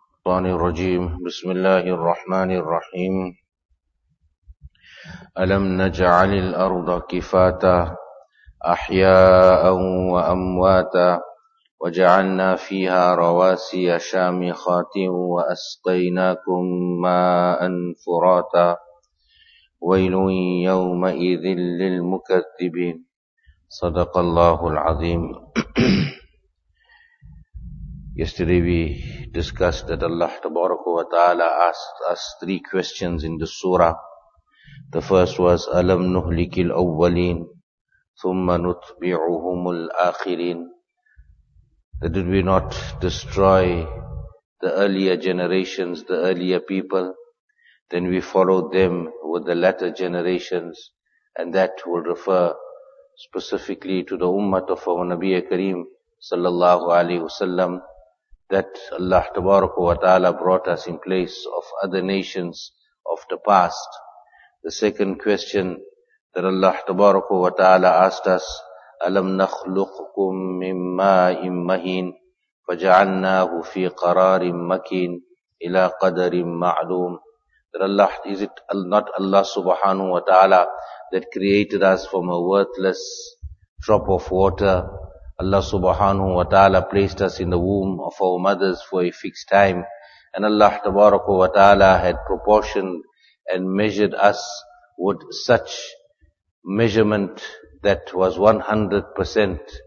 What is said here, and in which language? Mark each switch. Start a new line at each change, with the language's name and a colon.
Arabic: الشيطان الرجيم بسم الله الرحمن الرحيم ألم نجعل الأرض كفاتا أحياء وأمواتا وجعلنا فيها رواسي شامخات وأسقيناكم ماء فراتا ويل يومئذ للمكذبين صدق الله العظيم.
English: Yesterday we discussed that Allah Tabaraka wa Ta'ala asked us three questions in the surah. The first was,
Arabic: أَلَمْ نُهْلِكِ الْأَوَّلِينَ ثُمَّ نُتْبِعُهُمُ الْآخِرِينَ.
English: That did we not destroy the earlier generations, the earlier people, then we followed them with the latter generations, and that will refer specifically to the ummah of our Nabiya Kareem sallallahu alayhi wasallam, that Allah Tabaraka wa Ta'ala brought us in place of other nations of the past. The second question that Allah Tabaraka wa Ta'ala asked us,
Arabic: أَلَمْ نَخْلُقْكُمْ مِنْ مَاءٍ مَهِينٍ فَجَعَلْنَاهُ فِي قَرَارٍ مَكِينٍ إِلَى قَدَرٍ مَعْلُومٍ.
English: That Allah, is it not Allah Subhanahu wa Ta'ala that created us from a worthless drop of water? Allah Subhanahu wa Ta'ala placed us in the womb of our mothers for a fixed time. And Allah Tabaraka wa Ta'ala had proportioned and measured us with such measurement that was 100%.